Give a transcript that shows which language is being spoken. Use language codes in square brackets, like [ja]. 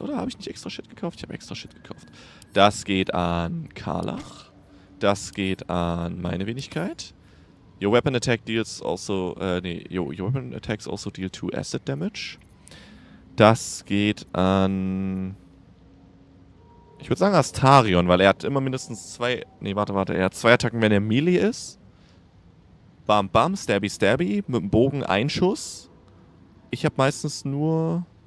[de] Oder habe ich nicht extra Shit gekauft? Ich habe extra Shit gekauft. Das geht an Karlach. Das geht an meine Wenigkeit. [en] Your weapon attack deals also... your weapon attacks also deal 2 acid damage. [de] Das geht an... Ich würde sagen Astarion, weil er hat immer mindestens zwei... Nee, warte. Er hat zwei Attacken, wenn er Melee ist. Bam, bam, stabby, stabby. Mit dem Bogen Einschuss. Ich habe meistens nur...